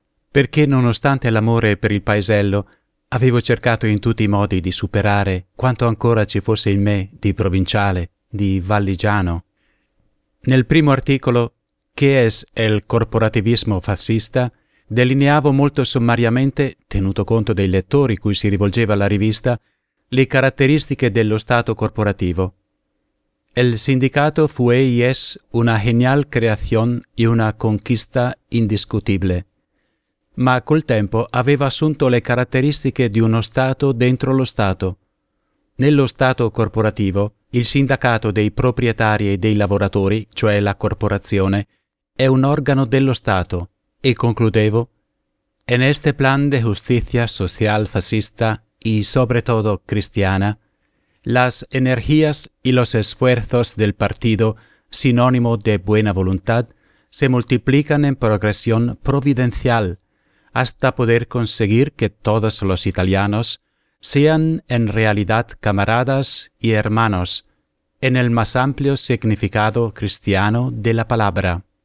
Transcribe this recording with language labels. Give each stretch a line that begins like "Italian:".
Italian: Perché nonostante l'amore per il paesello, avevo cercato in tutti i modi di superare quanto ancora ci fosse in me di provinciale, di valligiano. Nel primo articolo,
Spanish: «Che es el corporativismo fascista?»,
Italian: delineavo molto sommariamente, tenuto conto dei lettori cui si rivolgeva la rivista, le caratteristiche dello stato corporativo.
Spanish: El sindicato fue y es una genial creación y una conquista indiscutible.
Italian: Ma col tempo aveva assunto le caratteristiche di uno Stato dentro lo Stato. Nello Stato corporativo, il sindacato dei proprietari e dei lavoratori, cioè la corporazione, è un organo dello Stato. E concludevo,
Spanish: en este plan de justicia social fascista y sobre todo cristiana, las energías y los esfuerzos del partido, sinónimo de buena voluntad, se multiplican en progresión providencial hasta poder conseguir que todos los italianos sean en realidad camaradas y hermanos, en el más amplio significado cristiano de la palabra.